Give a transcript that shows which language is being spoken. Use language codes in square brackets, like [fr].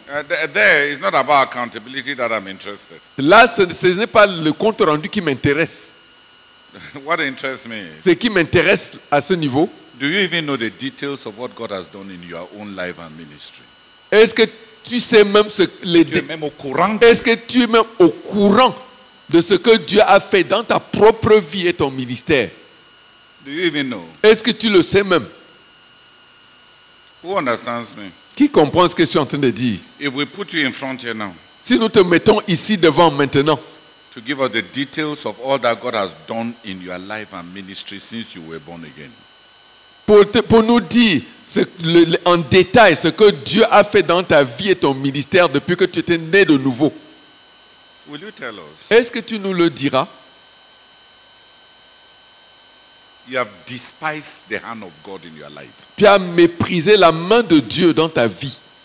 [en] There is not about accountability that I'm interested. [fr] Là, ce n'est pas le compte rendu qui m'intéresse. [en] What interests me? [fr] Ce qui m'intéresse à ce niveau. [en] Do you even know the details of what God has done in your own life and ministry? [fr] Est-ce que tu sais même ce les tu es même au courant? Est-ce que tu es même au courant de ce que Dieu a fait dans ta propre vie et ton ministère? [en] Do you even know? [fr] Est-ce que tu le sais même? [en] Who understands me? [fr] Qui comprend ce que je suis en train de dire? [en] If we put you in front here now. [fr] Si nous te mettons ici devant maintenant. [en] To give us the details of all that God has done in your life and ministry since you were born again. [fr] Pour nous dire en détail ce que Dieu a fait dans ta vie et ton ministère depuis que tu étais né de nouveau. [en] Will you tell us? [fr] Est-ce que tu nous le diras? [en] You have despised the hand of God in your life. [fr] Tu as méprisé la main de Dieu dans ta vie.